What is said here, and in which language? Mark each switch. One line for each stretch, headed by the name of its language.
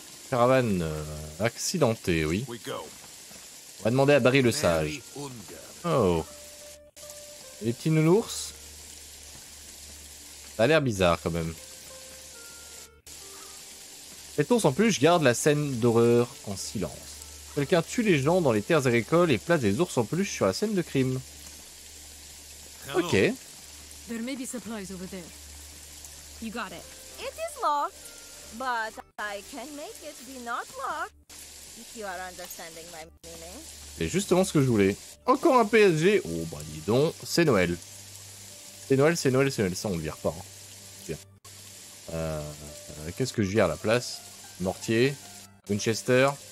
French: Caravane accidentée, oui. On va demander à Barry le Sage. Oh. Les petits nounours. Ça a l'air bizarre quand même. Cet ours en plus, je garde la scène d'horreur en silence. Quelqu'un tue les gens dans les terres agricoles et place des ours en plus sur la scène de crime. Ok.
English: There may be supplies over there. You got it. It is locked, but I can make it be not locked if you are understanding my meaning.
French: C'est justement ce que je voulais. Encore un PSG. Oh bah dis donc, c'est Noël. C'est Noël. Ça on le vire pas. Hein. Bien. Qu'est-ce que je vire à la place? Mortier. Winchester.